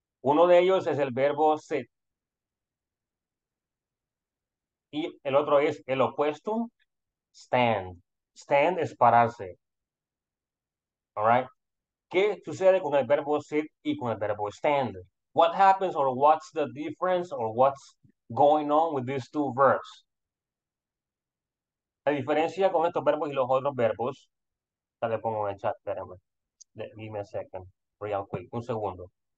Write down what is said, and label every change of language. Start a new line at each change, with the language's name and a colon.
Spanish: Uno de ellos es el verbo sit. Y el otro es el opuesto, stand. Stand es pararse.
English: All right.
Spanish: ¿Qué sucede con el verbo sit y con el verbo stand?
English: What happens or what's the difference or what's going on with these two verbs?
Spanish: La diferencia con estos verbos y los otros verbos, ya le pongo en el chat, espérame. Dime
English: a second, real quick,
Spanish: un segundo.